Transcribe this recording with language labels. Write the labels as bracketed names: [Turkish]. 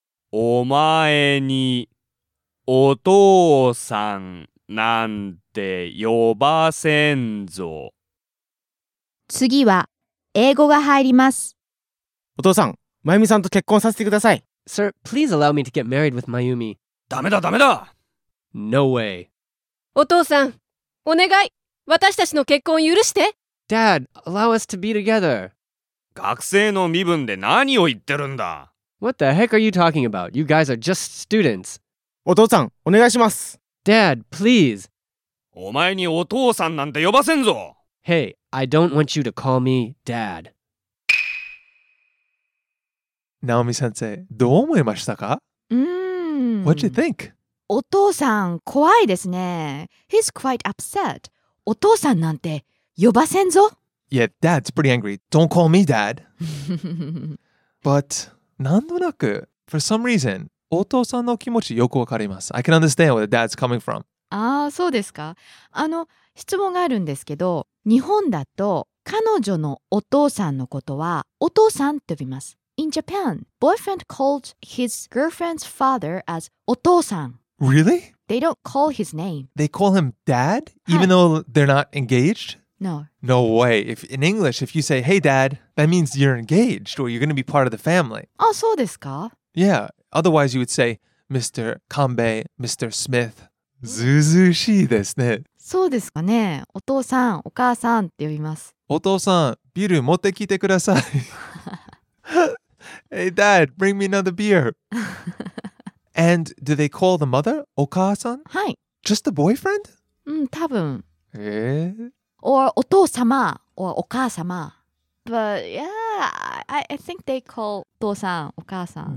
[Japanese] お前にお父さんなんて呼ばせんぞ。次は英語が入ります。お父さん、まゆみさんと結婚させてください。 [English] Sir, please allow me to get married with Mayumi. [Japanese] ダメだ、ダメだ。 [English] No way. [Japanese] お父さん、お願い、私たちの結婚許して。 [English] Dad, allow us to be together. [Japanese] 学生の身分で何を言ってるんだ。 [English] What the heck are you talking about? You guys are just students. [Japanese] お父さん、お願いします。 [English] Dad, please. [Japanese] お前にお父さんなんて呼ばせんぞ。 [English] Hey, I don't want you to call me Dad. [Japanese] Naomi-sensei, どう思いましたか? [English] What'd you think? [Japanese] お父さん、怖いですね。 [English] He's quite upset. [Japanese] お父さんなんて呼ばせんぞ? [English] Yeah, Dad's pretty angry. Don't call me Dad. But, [Japanese] なんとなく、 [English] for some reason, [Japanese] お父さんの気持ちよくわかります。 [English] I can understand where the dad's coming from. [Japanese] ああ、そうですか。あの、質問があるんですけど、日本だと彼女のお父さんのことはお父さんと呼びます。 [English] In Japan, boyfriend calls his girlfriend's father as お父さん. Really? They don't call his name. They call him dad, even though they're not engaged? No. No way. If, in English, if you say, hey dad, that means you're engaged or you're going to be part of the family. [Japanese] あ、そうですか? [English] Yeah. Otherwise, you would say, Mr. [Japanese] Kanbei, Mr. Smith. ずうずうしいですね。そうですかね。お父さん、お母さんって呼びます。お父さん、ビール持ってきてください。 [English] Hey, Dad, bring me another beer. And do they call the mother お母さん? [Japanese] はい。 [English] Just the boyfriend? [Japanese] うん、多分。え? [English] Or お父様 or お母様。But yeah, I think they call お父さん お母さん